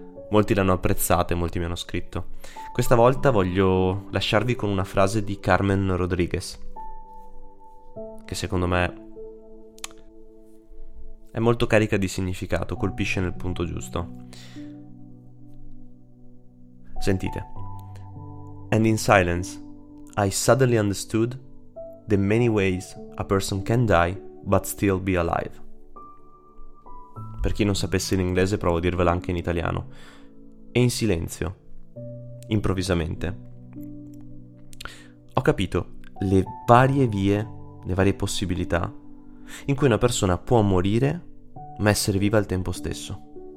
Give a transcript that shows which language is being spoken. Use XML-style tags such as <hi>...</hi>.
<it>Molti l'hanno apprezzata e molti mi hanno scritto. Questa volta voglio lasciarvi con una frase di Carmen Rodriguez, che secondo me è molto carica di significato, colpisce nel punto giusto. Sentite.</it> <en>And in silence, I suddenly understood the many ways a person can die but still be alive.</en> <it>Per chi non sapesse l'inglese, provo a dirvela anche in italiano. E in silenzio, improvvisamente, ho capito le varie vie, le varie possibilità in cui una persona può morire ma essere viva al tempo stesso.</it>